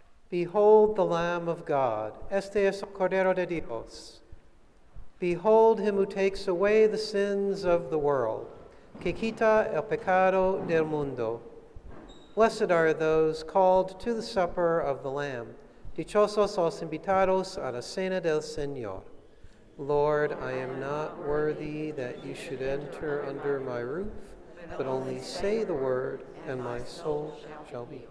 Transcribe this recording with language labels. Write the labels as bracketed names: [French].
[English] Behold the Lamb of God. [Spanish] Este es el Cordero de Dios. [English] Behold him who takes away the sins of the world. [Spanish] Que quita el pecado del mundo. [English] Blessed are those called to the supper of the Lamb. [Spanish] Dichosos los invitados a la cena del Señor. [English] Lord, I am not worthy that you should enter under my roof, but only say the word, and my soul shall be healed.